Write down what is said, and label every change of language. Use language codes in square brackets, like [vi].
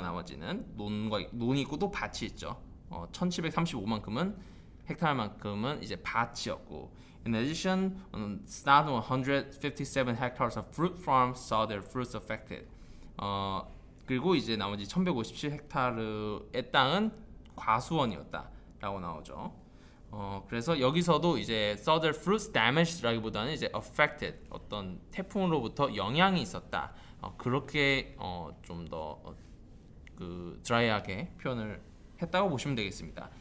[ko] 나머지는 논과 논이 있고 또 밭이 있죠. 1735만큼은 헥타르만큼은 이제 밭이었고. [en] In addition, on the southern 157 hectares of fruit farms saw their fruits affected. [ko] 그리고 이제 나머지 1,157 헥타르의 땅은 과수원이었다라고 나오죠. 그래서 여기서도 이제 [en] saw their fruits damaged [ko] 라기보다는 이제 affected 어떤 태풍으로부터 영향이 있었다. 그렇게 좀 더 그 드라이하게 표현을 했다고 보시면 되겠습니다.